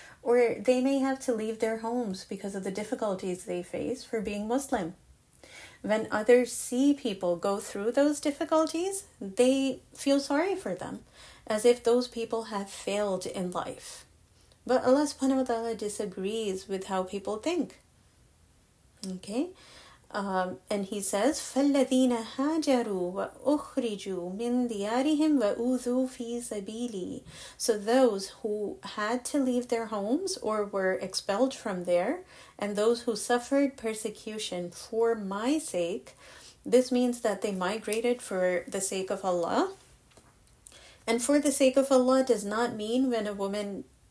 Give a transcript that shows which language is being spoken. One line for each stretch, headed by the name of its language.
English: Or they may have to leave their homes because of the difficulties they face for being Muslim. When others see people go through those difficulties, they feel sorry for them, as if those people have failed in life. But Allah subhanahu wa ta'ala disagrees with how people think. Okay? And He says,
Arabic: فَالَّذِينَ هَاجَرُوا وَأُخْرِجُوا مِنْ دِيَارِهِمْ وَأُوذُوا فِي سَبِيلِي.
English: So those who had to leave their homes or were expelled from there, and those who suffered persecution for my sake, this means that they migrated for the sake of Allah. And for the sake of Allah does not mean when a woman